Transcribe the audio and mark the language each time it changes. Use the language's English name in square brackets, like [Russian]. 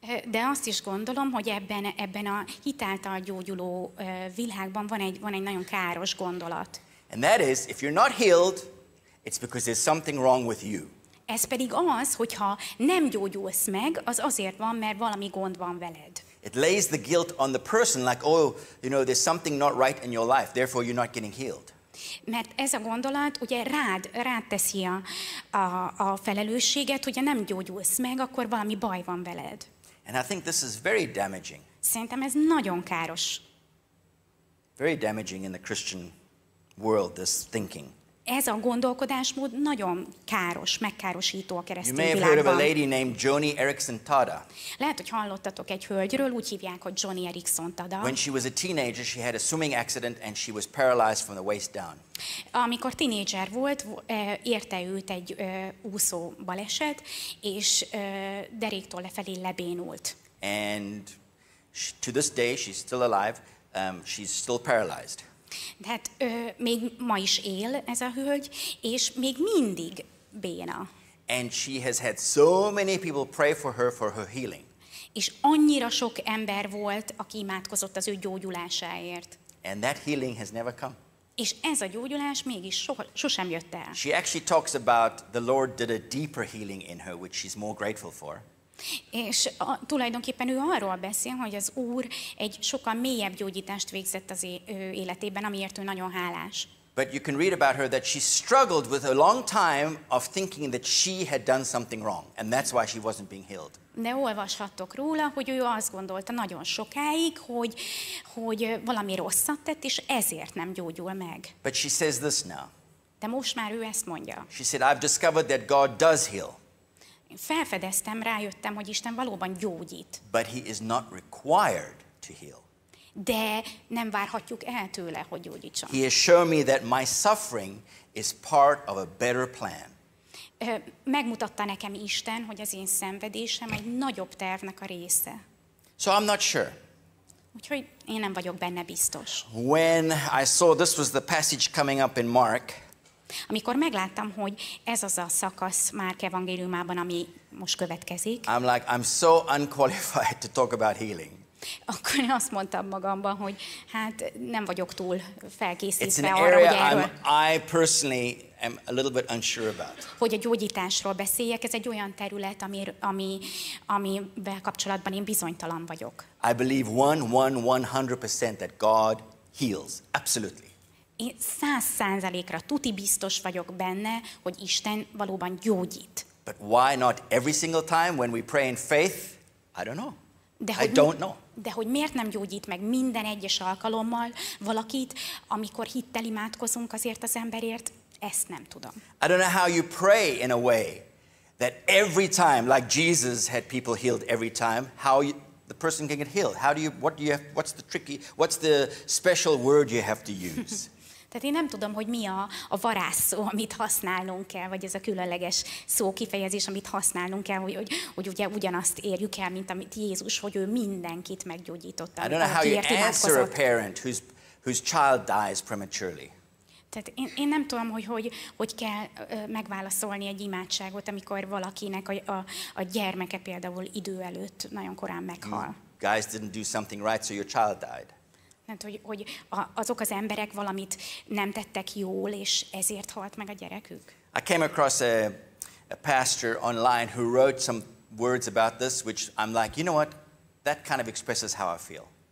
[Hungarian] De azt is gondolom, hogy ebben a hitáltal gyógyuló világban van egy nagyon káros gondolat. [English] And that is, if you're not healed, it's because there's something wrong with you. [Hungarian] Ez pedig az, hogyha nem gyógyulsz meg, az azért van, mert valami gond van veled. [English] It lays the guilt on the person, like, oh, you know, there's something not right in your life, therefore you're not getting healed. [Hungarian] Mert ez a gondolat, ugye rád teszi a felelősséget, hogyha nem gyógyulsz meg, akkor valami baj van veled. [English] And I think this is very damaging. [Hungarian] Szerintem ez nagyon káros. [English] Very damaging in the Christian world, this thinking. [Hungarian] Ez a gondolkodásmód nagyon káros, megkárosító a keresztény világban. [English] You may have heard of a lady named Joni Erickson Tada. [Hungarian] Lehet, hogy hallottatok egy hölgyről, úgy hívják, hogy Joni Erickson Tada. [English] When she was a teenager, she had a swimming accident and she was paralyzed from the waist down. [Hungarian] Amikor tinédzser volt, érte őt egy úszó baleset, és deréktől lefelé lebénult. [English] And to this day, she's still alive, she's still paralyzed. [Hungarian] De hát még ma is él ez a hölgy, és még mindig béna. [English] And she has had so many people pray for her healing. [Hungarian] És annyira sok ember volt, aki imádkozott az ő gyógyulásáért. [English] And that healing has never come. [Hungarian] És ez a gyógyulás mégis sosem jött el. [English] She actually talks about the Lord did a deeper healing in her, which she's more grateful for. [Hungarian] És tulajdonképpen ő arról beszél, hogy az Úr egy sokkal mélyebb gyógyítást végzett az életében, amiért ő nagyon hálás. [English] But you can read about her that she struggled with a long time of thinking that she had done something wrong, and that's why she wasn't being healed. [Hungarian] De olvashattok róla, hogy ő azt gondolta nagyon sokáig, hogy valami rosszat tett, és ezért nem gyógyul meg. [English] But she says this now. [Hungarian] De most már ő ezt mondja. [English] She said, I've discovered that God does heal. [Hungarian] Felfedeztem, rájöttem, hogy Isten valóban gyógyít. [English] But he is not required to heal. [Hungarian] De nem várhatjuk el tőle, hogy gyógyítson. [English] He has shown me that my suffering is part of a better plan. [Hungarian] Megmutatta nekem Isten, hogy az én szenvedésem egy nagyobb tervnek a része. [English] So I'm not sure. [Hungarian] Úgyhogy én nem vagyok benne biztos. [English] When I saw this was the passage coming up in Mark. [Hungarian] Amikor megláttam, hogy ez az a szakasz Márk evangéliumában, ami most következik. [English] I'm like, I'm so unqualified to talk about healing. [Hungarian] Akkor azt mondtam magamban, hogy hát nem vagyok túl felkészítve arra, hogy [English] I personally am a little bit unsure about. [Hungarian] Hogy a gyógyításról beszéljek, ez egy olyan terület, amivel kapcsolatban én bizonytalan vagyok. [English] I believe 100% that God heals, absolutely. [Hungarian] Én 100%-ra tuti biztos vagyok benne, hogy Isten valóban gyógyít. [English] But why not every single time when we pray in faith? I don't know. [Hungarian] De hogy miért nem gyógyít meg minden egyes alkalommal valakit, amikor hittel imádkozunk azért az emberért? Ezt nem tudom. [English] I don't know how you pray in a way that every time, like Jesus had people healed every time, how you, the person can get healed. What's the special word you have to use? [Hungarian] Tehát én nem tudom, hogy mi a varázsszó, amit használnunk kell, vagy ez a különleges szó, kifejezés, amit használnunk kell, hogy ugye ugyanazt érjük el, mint amit Jézus, hogy ő mindenkit meggyógyított. [English] I don't know how you answer a parent whose child dies prematurely. [Hungarian] Tehát én nem tudom, hogy kell megválaszolni egy imádságot, amikor valakinek a gyermeke például idő előtt nagyon korán meghal. [English] You guys didn't do something right, so your child died. [Hungarian] Tehát, hogy azok az emberek valamit nem tettek jól, és ezért halt meg a gyerekük. [English] I came across a pastor online who wrote some words about this, which I'm like, you know what, that kind of expresses how I feel.